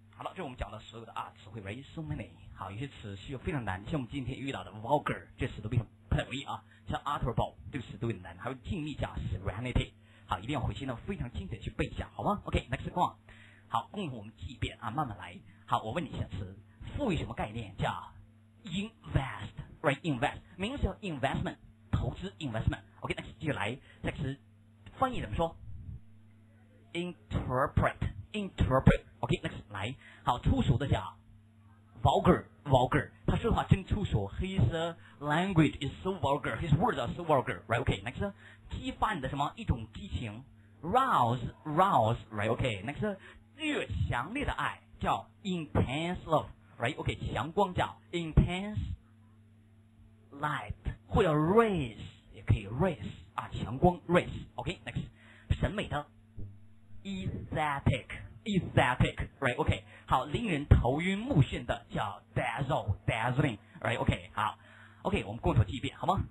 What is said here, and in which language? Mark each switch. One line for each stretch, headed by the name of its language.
Chinese: 好了，这是我们讲的所有的啊词汇 ，
English: right？ So many，
Chinese: 好，有些词是非常难，像我们今天遇到的 vulgar， 这词都变成。不太容易啊，像 utterable 这个词都很难，还有静谧加 serenity， 好，一定要回去呢，非常精简去背一下，好吗 ？
English: OK， next one，
Chinese: 好，共同我们记一遍啊，慢慢来。好，我问你一下词，赋予什么概念叫 invest， right？ invest 名词叫 investment， 投资 investment。 OK， next 继续来，这个词翻译怎么说 ？interpret， interpret。 OK， next 来，好，粗俗的叫 vulgar。 Vulgar， 他说的话真粗俗。
English: His language is so vulgar. His words are so vulgar. Right? Okay.
Chinese: Next， 激发你的什么一种激情 ？Rouse， rouse.
English: Right? Okay.
Chinese: Next， 热强烈的爱叫 intense love.
English: Right? Okay.
Chinese: 强光叫 intense light， 或者 rays 也可以 rays 啊，强光 rays.
English: Okay.
Chinese: Next， 审美的 aesthetic。
English: Aesthetic, right? Okay.
Chinese: 好，令人头晕目眩的叫 dazzle, dazzling, right?
English: Okay.
Chinese: 好 ，Okay， 我们共同记一遍，好吗？